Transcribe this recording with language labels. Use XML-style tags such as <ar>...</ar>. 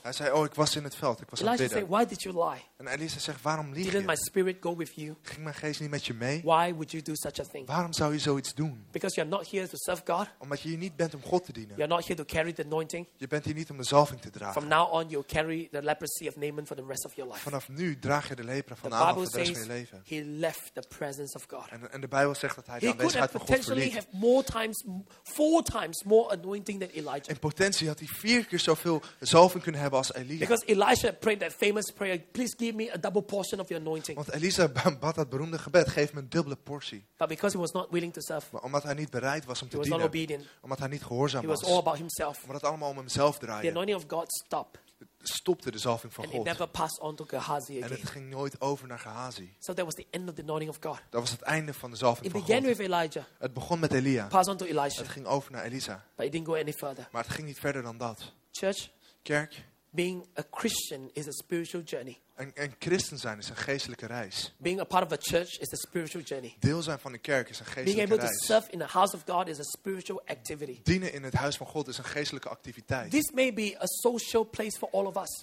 <nl>Hij zei, oh, ik was in het veld. Ik was aan het bidden.</nl> <en>Elisha said, why did you lie?</en> <nl>En Elisha zegt, waarom lieg</nl> <en>Didn't</en> <nl>je?</nl> <en>Didn't my spirit go with you?</en> <nl>Ging mijn geest niet met je mee?</nl> <en>Why would you do such a thing?</en> <nl>Waarom zou je zoiets doen?</nl> <en>Because you're not here to serve God.</en> <nl>Omdat je hier niet bent om God te dienen.</nl> <en>You're not here to carry the anointing.</en> <nl>Je bent hier niet om de zalving te dragen.</nl> <en>From now on, you'll carry the leprosy of Naaman for the rest of your life.</en> <nl>Vanaf nu draag je de lepra van Naaman voor de rest van je leven.</nl> <en>He left the presence of God.</en> <nl>En de Bijbel zegt dat hij de aanwezigheid van God verliet.</nl> <en>He could have potentially have four times more anointing than Elijah.</en> <nl>In potentie had hij 4 keer zoveel zalving kunnen hebben als Elia.</nl> <en>Because Elijah prayed that famous prayer, please give me a double portion of your anointing.</en> <nl>Want Elisa bad dat beroemde gebed, geef me een dubbele portie.</nl> <en>But because he was not willing to serve.</en> <nl>Maar omdat hij niet bereid was om</nl> <en>he</en> <nl>te</nl> <en>was</en> <nl>dienen.</nl> <en>Not obedient.</en> <nl>Omdat hij niet gehoorzaam was.</nl> <en>He was all about himself.</en> <nl>Omdat het allemaal om hemzelf draaide.</nl> <en>The anointing of God stopped.</en> <nl>stopte de zalving van</nl> <en>and</en> <nl>God.</nl> <en>It never passed on to Gehazi again.</en> <nl>En het ging nooit over naar Gehazi.</nl> <en>So that was the end of the anointing of God.</en> <nl>Dat was het einde van de zalving</nl> <en>it</en> <nl>van</nl> <en>began</en> <nl>God.</nl> <en>With Elijah.</en> <nl>Het begon met Elia.</nl> <en>Passed on to Elisha.</en> <nl>Het ging over naar Elisa.</nl> <en>But it didn't go any further.</en> <nl>Maar het ging niet verder dan dat.</nl> <en>Church.</en> <nl>Kerk.</nl> <en>Being a Christian is a spiritual journey.</en> <nl>En christen zijn is een geestelijke reis.</nl> <en>Being a part of a church is a spiritual journey.</en> <nl>Deel zijn van de kerk is een geestelijke reis.</nl> <en>Being able to serve in the house of God is a spiritual activity.</en> <nl>Dienen in het huis van God is een geestelijke activiteit.</nl> <en>This may be a social place for all of us.</en>